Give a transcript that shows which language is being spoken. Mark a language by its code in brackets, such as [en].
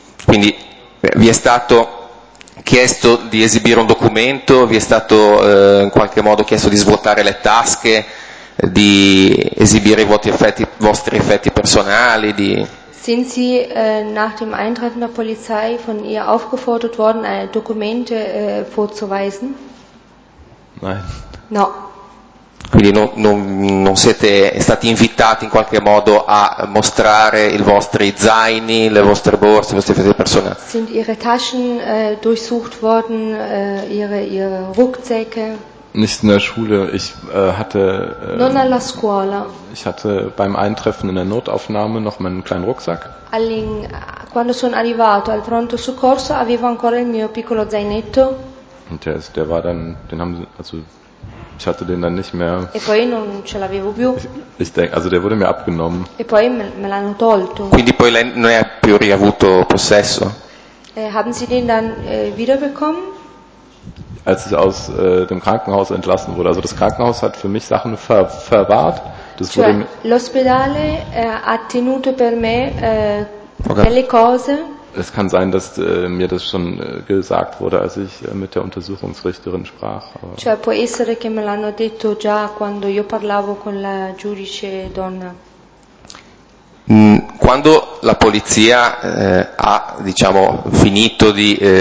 [it] Quindi vi è stato chiesto di esibire un documento, vi è stato in qualche modo chiesto di svuotare le tasche, di esibire i vostri effetti personali, di... [de] Sind Sie nach dem Eintreffen der Polizei von ihr aufgefordert worden, Dokumente vorzuweisen? Nein. [it] No. Quindi non siete stati invitati in qualche modo a mostrare i vostri zaini, le vostre borse, le vostre effetti personali? [de] Sind Ihre Taschen durchsucht worden, Ihre Rucksäcke? Nicht in der Schule, ich hatte [it] non alla scuola. [de] Ich hatte beim Eintreffen in der Notaufnahme noch meinen kleinen Rucksack. [it] Quando sono arrivato al pronto soccorso avevo ancora il mio piccolo zainetto. [de] Und der war dann, den haben sie, also ich hatte den dann nicht mehr. [it] E poi non ce l'avevo più. [de] Ich denke, also der wurde mir abgenommen. [it] E poi me l'hanno tolto. Quindi poi lei non ha più riavuto possesso. [de] Haben Sie den dann wiederbekommen? Als ich aus dem Krankenhaus entlassen wurde. Also das Krankenhaus hat für mich Sachen verwahrt. Das [it] cioè, [de] wurde [it] l'ospedale ha tenuto per me delle cose. [de] Es kann sein, dass mir das schon gesagt wurde, als ich mit der Untersuchungsrichterin sprach. [it] Cioè, può essere che me l'hanno detto già quando io parlavo con la giudice donna. Quando la polizia ha, diciamo, finito di...